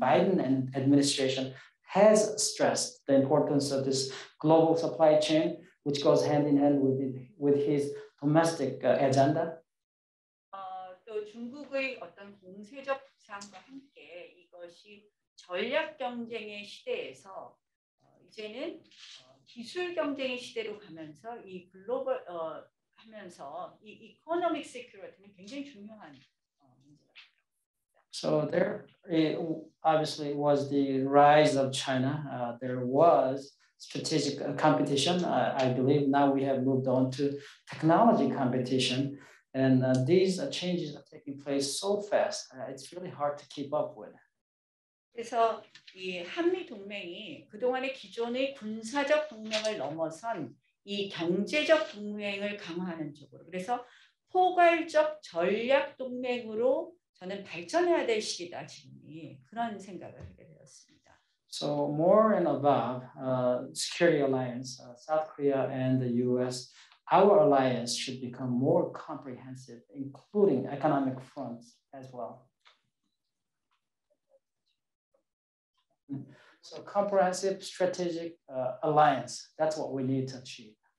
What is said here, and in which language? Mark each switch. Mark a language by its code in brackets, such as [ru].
[en] Biden and administration has stressed the importance of this global supply chain, which goes hand in hand with his domestic agenda. [ko] 또 중국의 어떤 공세적 부상과 함께 이것이 전략 경쟁의 시대에서 이제는 기술 경쟁의 시대로 가면서 이 글로벌 하면서 이 [en] economic security [ko] 는 굉장히 중요한 [en] So there, it obviously was the rise of China. There was strategic competition. I believe now we have moved on to technology competition. And these changes are taking place so fast. It's really hard to keep up with. [ko] 그래서 이 한미 동맹이 그동안의 기존의 군사적 동맹을 넘어선 이 경제적 동맹을 강화하는 쪽으로 그래서 포괄적 전략 동맹으로 저는 발전해야 될 시기다 지금이 그런 생각을 하게 되었습니다. [en] So more and above security alliance, South Korea and the U.S. Our alliance should become more comprehensive, including economic fronts as well. So comprehensive strategic alliance. That's what we need to achieve.